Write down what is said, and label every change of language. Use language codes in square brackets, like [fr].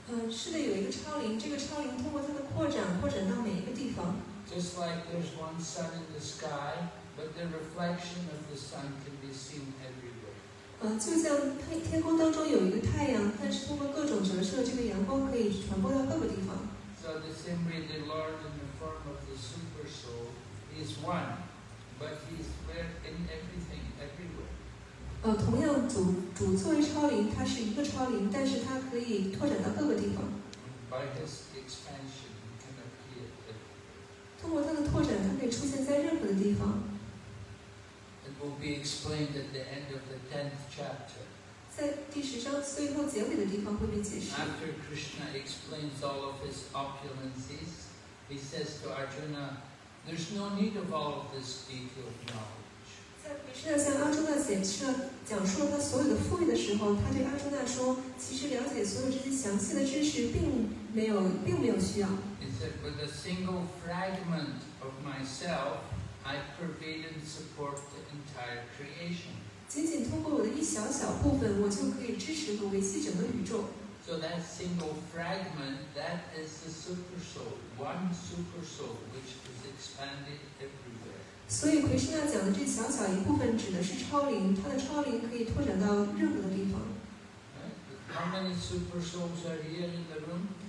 [zh] 是的，有一个超灵，这个超灵通过它的扩展，扩展到每一个地方。 [en] Just like there's one sun in the sky, but the reflection of the sun can be seen everywhere. [zh] 就像天空当中有一个太阳，但是通过各种折射，这个阳光可以传播到各个地方。 [en] So the same way, the Lord in the form of the super soul is one, but he's where in everything, everywhere. [zh] 同样主作为超灵，它是一个超灵，但是它可以拓展到各个地方。 [en] By this expansion, he can appear. [zh] 通过它的拓展，它可以出现在任何的地方。 [en] It will be explained at the end of the 10th chapter. [zh] 在第十章最后结尾的地方会被解释。 [en] After Krishna explains all of his opulences, he says to Arjuna, "There's no need of all of this detailed knowledge." [zh] 在比丘那向阿朱那讲述他所有的富裕的时候，他对阿朱那说：“其实了解所有这些详细的知识，并没有需要。” [en] He said, "With a single fragment of myself, I pervade and support the entire creation." [zh] 仅仅通过我的一小小部分，我就可以支持和维系整个宇宙。 [en] So that single fragment, that is the super soul, one super soul which is expanded everywhere. [zh] 所以奎师那讲的这小小一部分指的是超灵，它的超灵可以拓展到任何的地方。 [en] How many super souls are here in the room?